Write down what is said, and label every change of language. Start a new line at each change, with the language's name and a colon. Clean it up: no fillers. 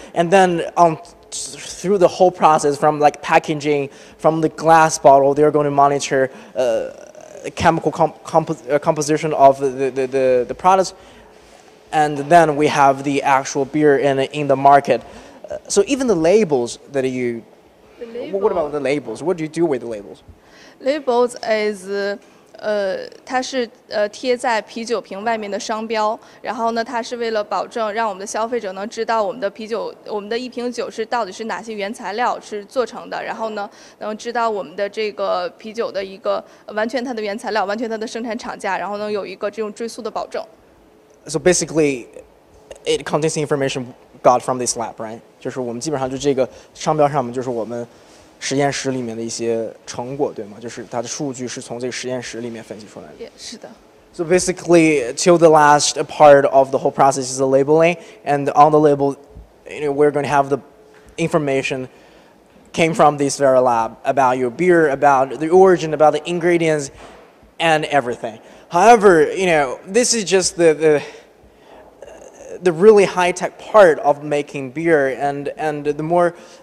English: And then through the whole process, from like packaging, from the glass bottle, they are going to monitor the chemical composition of the products. And then we have the actual beer in the market. So even the labels that you, the label. What about the labels? What do you do with the labels? Labels is
Chinese: 它是贴在啤酒瓶外面的商标，然后呢，它是为了保证让我们的消费者能知道我们的啤酒，我们的一瓶酒是到底是哪些原材料是做成的，然后呢，能知道我们的这个啤酒的一个完全它的原材料，完全它的生产厂家，然后能有一个这种追溯的保证。
English: So basically, it contains the information got from this lab, right?
Chinese: 就是我们基本上就这个商标上面就是我们。实验室里面的一些成果，对吗？就是它的数据是从这个实验室里面分析出来的。是的。
English: So basically, till the last part of the whole process is the labeling, and on the label, you know, we're going to have the information came from this very lab about your beer, about the origin, about the ingredients, and everything. However, you know, this is just the really high-tech part of making beer, and the more...